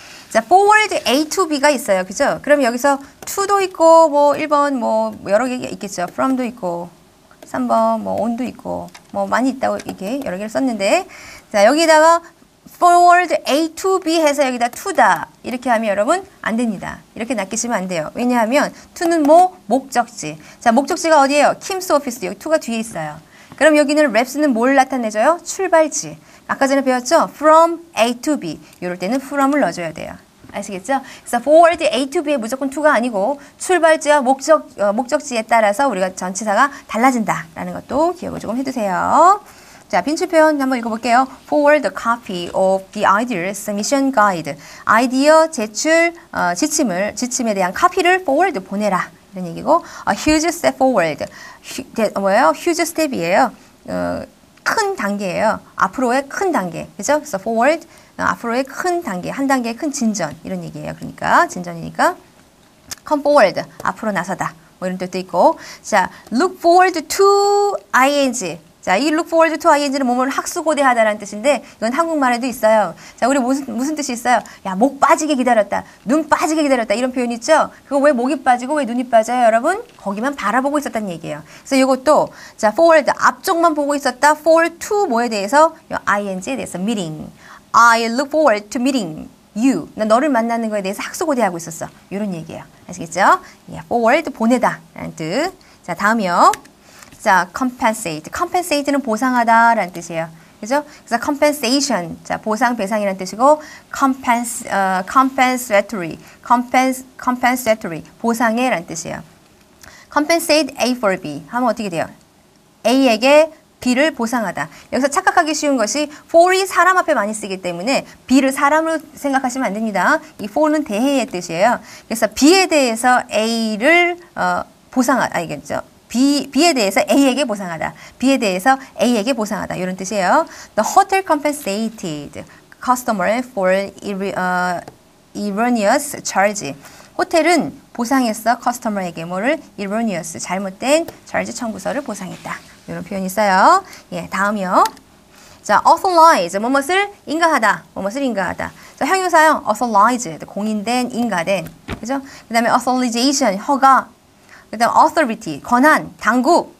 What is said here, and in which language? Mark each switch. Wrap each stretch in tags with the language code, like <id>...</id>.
<ko>자, forward A to B가 있어요. 그죠? 그럼 여기서 to도 있고, 뭐, 1번, 뭐, 여러 개 있겠죠? from도 있고, 한번 뭐 온도 있고 뭐 많이 있다고 이렇게 여러 개를 썼는데 자 여기다가 forward A to B 해서 여기다 to다 이렇게 하면 여러분 안 됩니다. 이렇게 낚이시면 안 돼요. 왜냐하면 to는 뭐 목적지. 자 목적지가 어디예요? Kim's office 여기 to가 뒤에 있어요. 그럼 여기는 reps는 뭘 나타내줘요? 출발지. 아까 전에 배웠죠?</ko> <en>From A to B.</en> <ko>이럴 때는 from을 넣어줘야 돼요. 아시겠죠? 그래서 forward A to B에 무조건 to가 아니고 출발지와 목적지에 따라서 우리가 전치사가 달라진다라는 것도 기억을 조금 해두세요. 자, 빈칸 표현 한번 읽어볼게요.</ko> <en>Forward a copy of the idea submission guide.</en> <ko>아이디어 제출 지침에 대한 카피를 forward 보내라. 이런 얘기고</ko> <en>a huge step forward.</en> <ko>뭐예요? Huge step이에요. 큰 단계예요. 앞으로의 큰 단계. 그렇죠? 그래서 forward 앞으로의 큰 단계, 한 단계의 큰 진전 이런 얘기예요. 그러니까 진전이니까 come forward 앞으로 나서다 뭐 이런 뜻도 있고 자 look forward to ing 자 이 look forward to ing는 몸을 학수고대하다라는 뜻인데 이건 한국말에도 있어요. 자 우리 무슨 뜻이 있어요? 야 목 빠지게 기다렸다, 눈 빠지게 기다렸다 이런 표현 있죠? 그거 왜 목이 빠지고 왜 눈이 빠져요, 여러분? 거기만 바라보고 있었다는 얘기예요. 그래서 이것도 자 forward 앞쪽만 보고 있었다 forward to 뭐에 대해서 ing에 대해서 meeting.</ko> <en>I look forward to meeting you.</en> <ko>나 너를 만나는 거에 대해서 학수고대하고 있었어. 이런 얘기예요. 아시겠죠?</ko> <en>Yeah,</en> <ko>forward 보내다 라는 뜻. 자 다음이요. 자 compensate. compensate는 보상하다 라는 뜻이에요. 그죠? 그래서 compensation. 자 보상 배상이라는 뜻이고 compensatory. compensatory 보상해라는 뜻이에요. compensate A for B 하면 어떻게 돼요? A에게 B를 보상하다. 여기서 착각하기 쉬운 것이 for이 사람 앞에 많이 쓰기 때문에 B를 사람으로 생각하시면 안 됩니다. 이 for는 대해의 뜻이에요. 그래서 B에 대해서 A를 보상하다. 알겠죠? B에 대해서 A에게 보상하다. B에 대해서 A에게 보상하다. 이런 뜻이에요.</ko> <en>The hotel compensated customer for erroneous charge.</en> <ko>호텔은 보상했어. customer에게 뭐를 erroneous 잘못된 charge 청구서를 보상했다. 이런 표현이 있어요. 예, 다음이요. 자, authorize, 뭐뭇을 인가하다. 뭐뭇을 인가하다. 자, 형용사형, authorized, 공인된, 인가된. 그죠? 그 다음에 authorization, 허가. 그 다음에 authority, 권한, 당국.</ko>